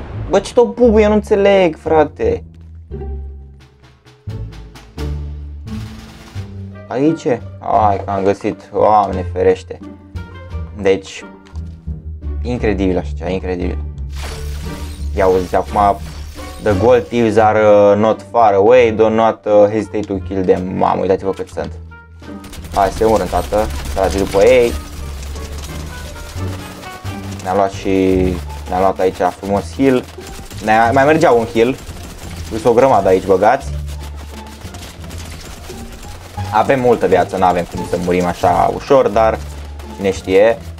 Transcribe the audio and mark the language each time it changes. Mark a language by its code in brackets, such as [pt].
[ro] Bă, ce tot bubuie, nu înțeleg, frate. Aici? Ai, că am găsit, oameni ferește. Deci, incredibil așa ceva, incredibil. Ia uzi, acum, [en] the gold thieves are not far away, do not hesitate to kill them. [ro] Mamă, uitați-vă cât sunt. Hai, se urmă, tată, trage după ei. Ne-a luat și, ne-a luat aici frumos heal. Mai mergea un heal, pus o grămadă aici, băgați. Avem multă viață, n-avem cum să murim așa ușor, dar cine știe.